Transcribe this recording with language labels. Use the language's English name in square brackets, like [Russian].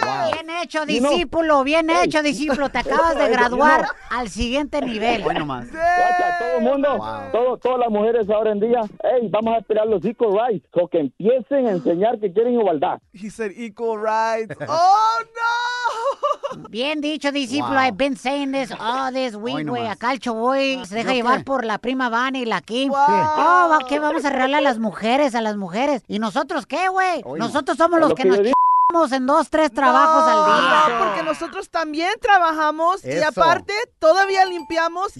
[Spanish] Bien hecho, discípulo, bien hecho, discípulo. Te acabas de graduar al siguiente nivel. Bueno, más. Todo el mundo, todas las mujeres ahora en día, hey, vamos a esperar los equal rights, o que empiecen a enseñar que quieren igualdad. [English] He said equal rights. ¡Oh, no! [Spanish] Bien dicho, discípulo. [English] Wow. I've been saying this all this week, güey. [Spanish] Acá el Shaboy se deja llevar por la prima Vanny y la Kim. [English] Wow. [Spanish] Oh, ¿qué vamos a regalar a las mujeres? A las mujeres. ¿Y nosotros qué, güey? Nosotros somos los que nos en dos, tres trabajos al día. No, porque nosotros también trabajamos. Eso. Y aparte, todavía limpiamos.